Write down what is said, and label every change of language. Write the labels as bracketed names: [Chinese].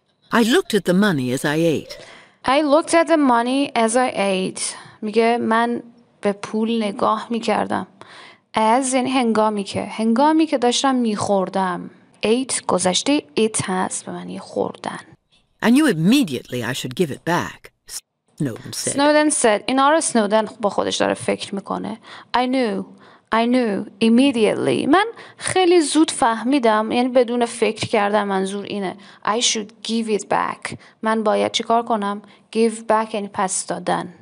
[English] I looked at the money as I ate. I looked at the money as I ate. [Persian] میگه من به پول نگاه میکردم. از یعنی هنگامی که داشتم میخوردم. Ate گذشته it هست به معنی خوردن. [English] I knew immediately I should give it back. Snowden said. [Persian] اینا رو Snowden با خودش داره فکر میکنه. [English] I knew immediately. [Persian] من خیلی زود فهمیدم یعنی بدون فکر کردم منظور اینه. [English] I should give it back. [Persian] من باید چیکار کنم؟ Give back یعنی پس دادن.